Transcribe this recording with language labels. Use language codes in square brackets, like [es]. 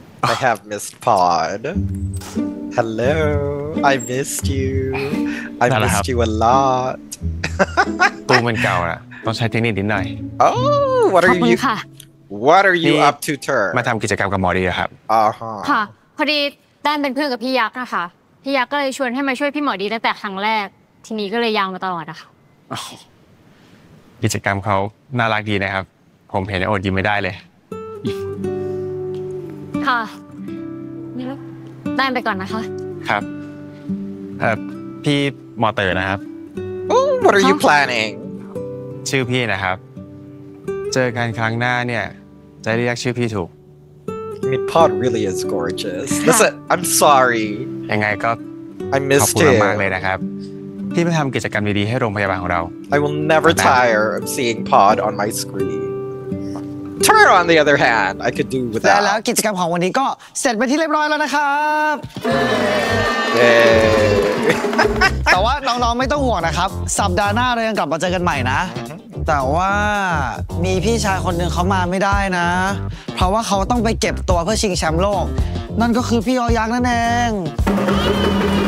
[en] I have Miss Pod Hello I missed you I missed you a lot [th] ตู้มันเก่าอ่ะต้องใช้เทคนิคนิดหน่อย [en] Oh what are you [th] ค่ะ [en] What are you up to, Tur? [th] มาทำกิจกรรมกับหมอดีครับ อ่าฮะ ค่ะพอดีแดนเป็นเพื่อนกับพี่ยักษ์นะคะพี่ยักษ์ก็เลยชวนให้มาช่วยพี่หมอดีตั้งแต่ครั้งแรกทีนี้ก็เลยยาวมาตลอดนะคะ กิจกรรมเขาน่ารักดีนะครับผมเห็นแล้วอดยิ้มไม่ได้เลย ค่ะแดนไปก่อนนะคะ ครับพี่หมอเต๋อนะครับ [en] Ooh, What are you planning? [th] ชื่อพี่นะครับเจอกันครั้งหน้าเนี่ยจะเรียกชื่อพี่ถูก [en] Meet Pod really is gorgeous Listen I'm sorry [th] ยังไงก็ [en] I missed you [th] มากเลยนะครับที่มาทำกิจกรรมดีๆให้โรงพยาบาลของเรา [en] I will never tire of seeing Pod on my screen Turn on the other hand I could do without [th] แล้วกิจกรรมของวันนี้ก็เสร็จไปที่เรียบร้อยแล้วนะครับ เ ย้แต่ว่าน้องๆไม่ต้องห่วงนะครับสัปดาห์หน้าเรายังกลับมาเจอกันใหม่นะแต่ว่ามีพี่ชายคนหนึ่งเขามาไม่ได้นะเพราะว่าเขาต้องไปเก็บตัวเพื่อชิงแชมป์โลกนั่นก็คือพี่ออยักษ์นั่นเอง